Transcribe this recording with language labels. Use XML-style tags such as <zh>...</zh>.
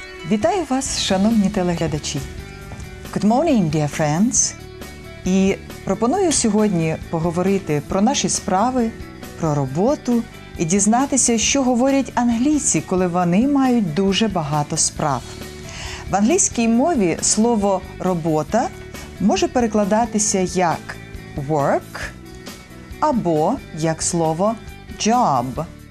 <uk>Вітаю вас, шановні телеглядачі.</uk> <en>Good morning, dear friends.</en> <uk>І пропоную сьогодні поговорити про наші справи, про роботу і дізнатися, що говорять англійці, коли вони мають дуже багато справ. В англійській мові слово «робота» може перекладатися як «work» або як слово «job».</uk>